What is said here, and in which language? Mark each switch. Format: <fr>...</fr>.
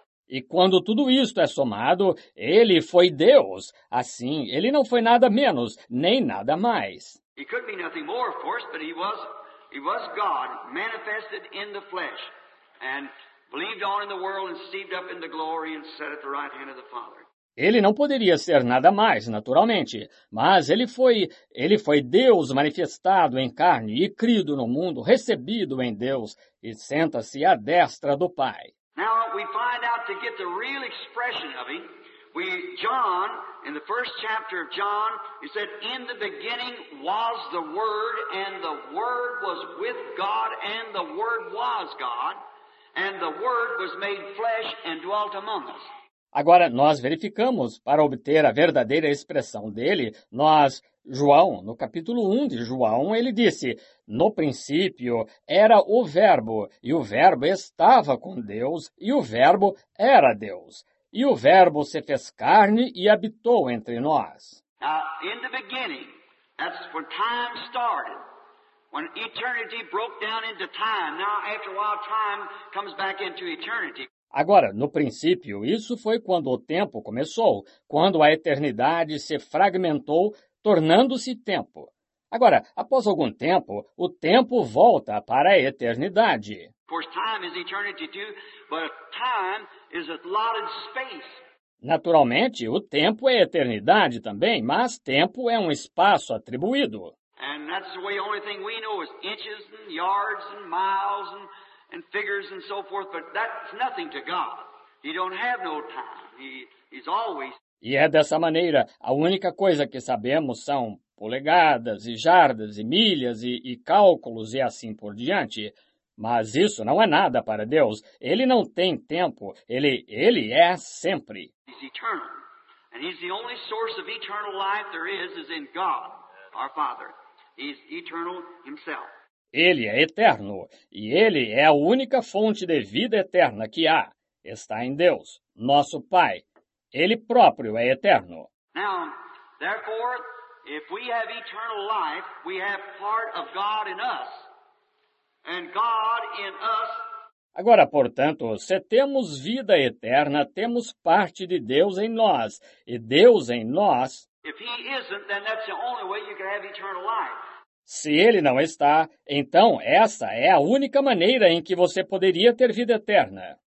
<pt>E quando tudo isto é somado, ele foi Deus. Assim, ele não foi nada menos, nem nada mais.</pt> <en>He could be nothing more, of course, but he was God, manifested in the flesh, and believed on in the world, and received up in the glory, and set at the right hand of the Father.</en> <pt>Ele não poderia ser nada mais, naturalmente, mas ele foi Deus manifestado em carne e crido no mundo, recebido em Deus, e senta-se à destra do Pai.</pt> <en>Now we find out to get the real expression of him. John, in the first chapter of John, he said, in the beginning was the Word, and the Word was with God, and the Word was God, and the Word was made flesh and dwelt among us.</en> <pt>Agora, nós verificamos, para obter a verdadeira expressão dele, nós, João, no capítulo 1 de João, ele disse, no princípio era o Verbo, e o Verbo estava com Deus, e o Verbo era Deus. E o Verbo se fez carne e habitou entre nós.</pt> <en>Now, in the beginning, that's when time started, when eternity broke down into time. Now, after a while, time comes back into eternity.</en> <pt>Agora, no princípio, isso foi quando o tempo começou, quando a eternidade se fragmentou, tornando-se tempo. Agora, após algum tempo, o tempo volta para a eternidade.</pt> <en>Of course, time is eternity too, but time is allotted space.</en> <pt>Naturalmente, o tempo é eternidade também, mas tempo é um espaço atribuído.</pt> <en>And that's the way only thing we know is inches and yards and miles and figures and so forth, but that's nothing to God. He don't have no time. He's always.</en> <pt>E é dessa maneira, a única coisa que sabemos são polegadas e jardas e milhas e cálculos e assim por diante. Mas isso não é nada para Deus. Ele não tem tempo. Ele é sempre.</pt> <en>He's eternal. And he's the only source of eternal life there is in God, our Father. He's eternal himself.</en> <pt>Ele é eterno. E ele é a única fonte de vida eterna que há. Está em Deus, nosso Pai. Ele próprio é eterno.</pt> <en>Now, therefore, if we have eternal life, we have part of God in us. And God in us.</en> <pt>Agora, portanto, se temos vida eterna, temos parte de Deus em nós, e Deus em nós.</pt> <en>If he isn't, then that's the only way you can have eternal life.</en> <pt>Se ele não está, então essa é a única maneira em que você poderia ter vida eterna.</pt>